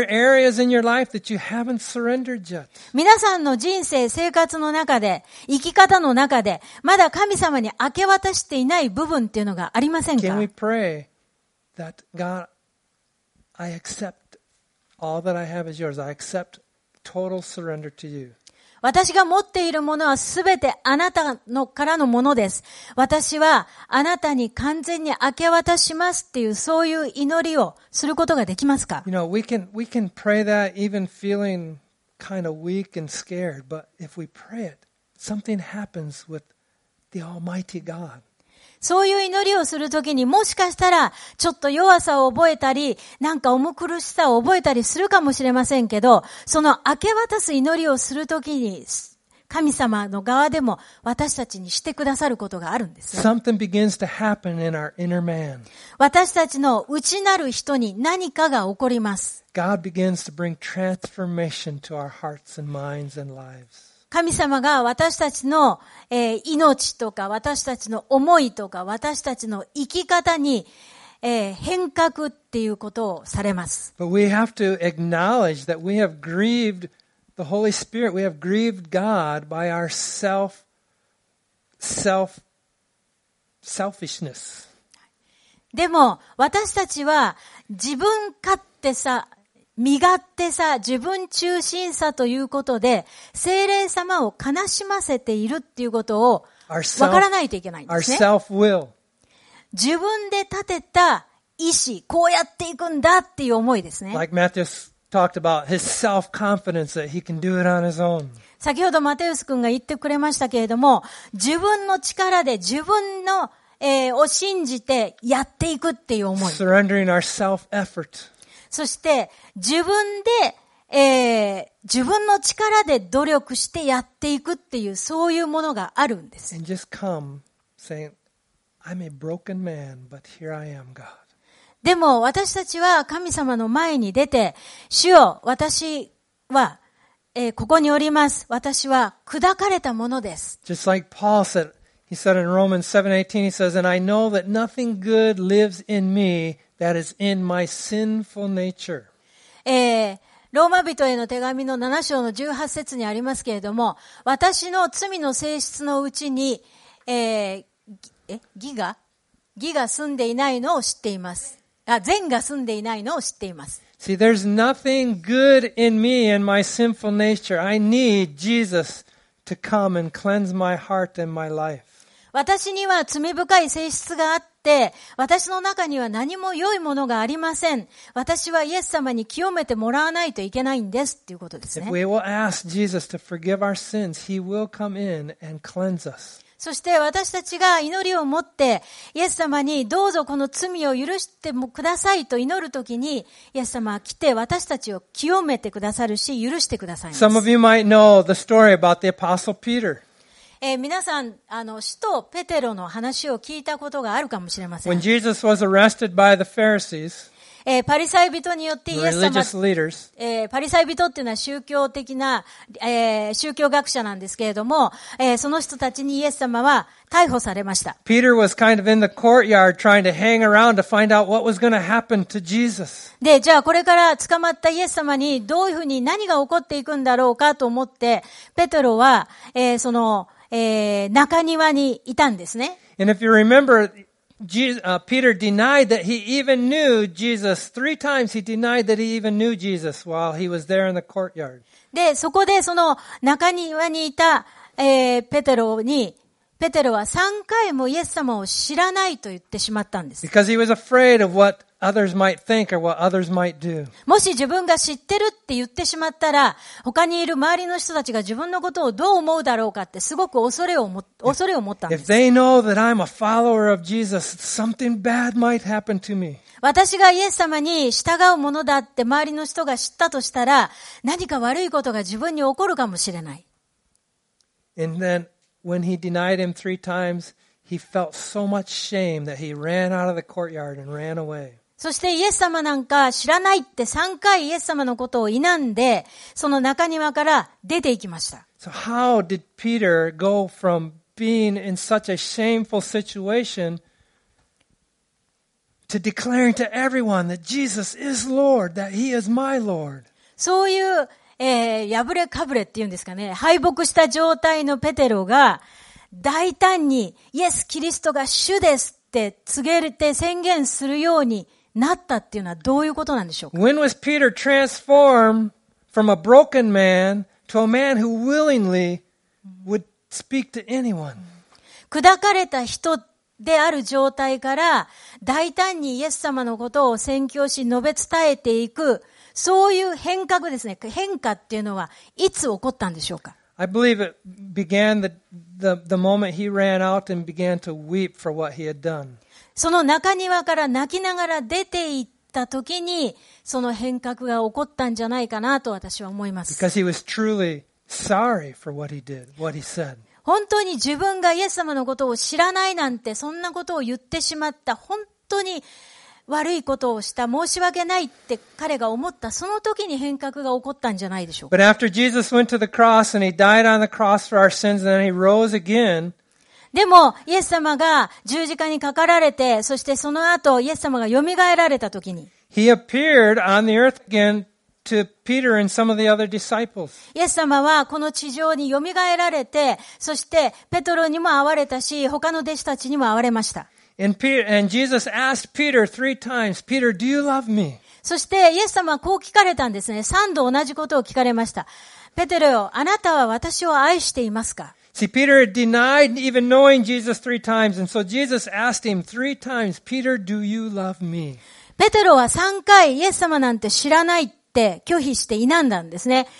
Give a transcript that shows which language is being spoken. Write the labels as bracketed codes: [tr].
[ja] 皆さんの人生生活の中で生き方の中でまだ神様に明け渡していない部分っていうのがありませんか？ [en] Can we pray that GodI accept all that I have is yours. I accept total surrender to you. [ja] 私が持っているものはすべてあなたのからのものです。私はあなたに完全に明け渡しますっていうそういう祈りをすることができますか？ [en] You know, we can pray that even feeling kind of weak and scared, but if we pray it, something happens with the Almighty God. [ja] そういう祈りをするときにもしかしたらちょっと弱さを覚えたりなんか重苦しさを覚えたりするかもしれませんけど、その明け渡す祈りをするときに神様の側でも私たちにしてくださることがあるんです。 [en] Something begins to happen in our inner man. [ja] 私たちの内なる人に何かが起こります。 [en] God begins to bring transformation to our hearts and minds and lives. [ja] 神様が私たちの、命とか私たちの思いとか私たちの生き方に、変革っていうことをされます。 [en] But we have to acknowledge that we have grieved the Holy Spirit. We have grieved God by our selfishness. [ja] でも私たちは自分勝手さ身勝手さ、自分中心さということで、聖霊様を悲しませているっていうことを分からないといけないんですね。 [en] Our self-will. [ja] 自分で立てた意志、こうやっていくんだっていう思いですね。 [en] Like Matthew talked about his self-confidence that he can do it on his own. [ja] 先ほどマテウス君が言ってくれましたけれども、自分の力で自分の、を信じてやっていくっていう思い。 [en] Surrendering our self-effort. [ja] そして自分で、自分の力で努力してやっていくっていうそういうものがあるんです。 [en] And just come saying, I'm a broken man, but here I am, God. [ja] でも私たちは神様の前に出て、主よ、私は、ここにおります。私は砕かれたものです。 [en] Just like Paul said, he said in Romans 7:18, he says, and I know that nothing good lives in me. That is in my sinful nature. [ja] ローマ人への手紙の7章の18節にありますけれども、私の罪の性質のうちに、義が住んでいないのを知っています。善が住んでいないのを知っています。 [en] See, there's nothing good in me and my sinful nature. I need Jesus to come and cleanse my heart and my life. [ja] 私には罪深い性質があって、私の中には何も良いものがありません。私はイエス様に清めてもらわないといけないんですっていうことですね。 [en] If we will ask Jesus to forgive our sins, He will come in and cleanse us. [ja] そして私たちが祈りを持ってイエス様にどうぞこの罪を許してもくださいと祈るときにイエス様は来て私たちを清めてくださるし許してくださいます。 [en] Some of you might know the story about the Apostle Peter. [ja] 皆さん使徒ペテロの話を聞いたことがあるかもしれません。 [en] When Jesus was arrested by the Pharisees. [ja] パリサイ人によってイエス様、パリサイ人っていうのは宗教的な、宗教学者なんですけれども、その人たちにイエス様は逮捕されました。 [en] ペテロ was kind of in the courtyard trying to hang around to find out what was going to happen to Jesus. [ja] で、じゃあこれから捕まったイエス様にどういうふうに何が起こっていくんだろうかと思って、ペテロは、その、中庭にいたんですね。 [en] And if you remember,Peter denied that he even knew Jesus. Three times he denied that he even knew Jesus while he was there in the courtyard. [ja] で、そこでその中庭にいた、ペテロに、ペテロは三回もイエス様を知らないと言ってしまったんです。 [en] Because he was afraid of what others might think or what others might do. [ja] もし自分が知ってるって言ってしまったら、他にいる周りの人たちが自分のことをどう思うだろうかってすごく恐れを持ったんです。 [en] If they know that I'm a follower of Jesus, something bad might happen to me. [ja] 私がイエス様に従うものだって周りの人が知ったとしたら、何か悪いことが自分に起こるかもしれない。 [en] And then when he denied him three times, he felt so much shame that he ran out of the courtyard and ran away. [ja] そしてイエス様なんか知らないって3回イエス様のことを否んで、その中庭から出て行きました。 [en] So how did Peter go from being in such a shameful situation to declaring to everyone that Jesus is Lord, that He is my Lord? [ja] そういう、破れかぶれっていうんですかね、敗北した状態のペテロが大胆にイエス・キリストが主ですって告げて宣言するようになったっていうのはどういうことなんでしょうか。 [en] When was Peter transformed from a broken man to a man who willingly would speak to anyone? [ja] 砕かれた人である状態から大胆にイエス様のことを宣教し述べ伝えていく、そういう変革ですね。変化っていうのはいつ起こったんでしょうか。 [en] I believe it began the moment he ran out and began to weep for what he had done. [ja] その中庭から泣きながら出て行った時にその変革が起こったんじゃないかなと私は思います。 [en] Because he was truly sorry for what he did, what he said. [ja] 本当に自分がイエス様のことを知らないなんてそんなことを言ってしまった、本当に悪いことをした、申し訳ないって彼が思ったその時に変革が起こったんじゃないでしょうか。 [en] But after Jesus went to the cross and he died on the cross for our sins and then he rose again [ja] でも、イエス様が十字架にかかられて、そしてその後、イエス様が蘇られた時に。 [en] He appeared on the earth again to Peter and some of the other disciples. [ja] イエス様はこの地上に蘇られて、そしてペトロにも会われたし、他の弟子たちにも会われました。 [en] And Jesus asked Peter three times, Peter, do you love me? [ja] そしてイエス様はこう聞かれたんですね。三度同じことを聞かれました。ペテロよ、あなたは私を愛していますか? [en] See, Peter had denied even knowing Jesus three times, and so Jesus asked him three times, "Peter, do you love me?" [ja] ペテロは三回イエス様なんて知らないって拒否して否んだんですね。